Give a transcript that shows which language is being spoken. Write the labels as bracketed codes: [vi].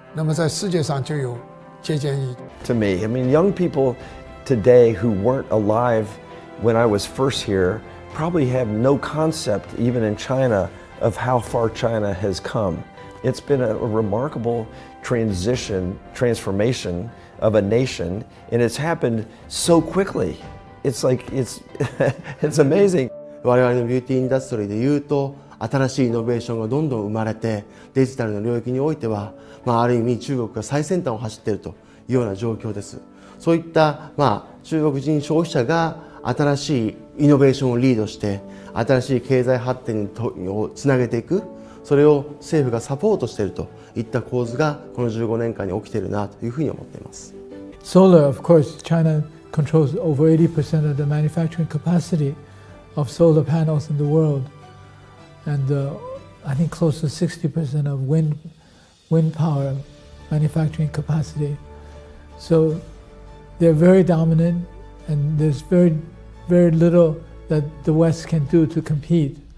[en] To me, I mean, young people today who weren't alive when I was first here probably have no concept, even in China, of how far China has come. It's been a remarkable transformation of a nation, and it's happened so quickly. It's like, it's amazing. [ja] 我々のビューティーインダストリーで言うと、 新しいイノベーションがどんどん生まれて、デジタルの領域においては、ある意味中国が最先端を走っているというような状況です。そういった、中国人消費者が新しいイノベーションをリードして、新しい経済発展につなげていく、それを政府がサポートしていると、いった構図がこの15年間に起きているなというふうに思っています。 [en] Solar, of course, China controls over 80% of the manufacturing capacity of solar panels in the world. And I think close to 60% of wind wind power manufacturing capacity. So they're very dominant, and there's very, very little that the West can do to compete.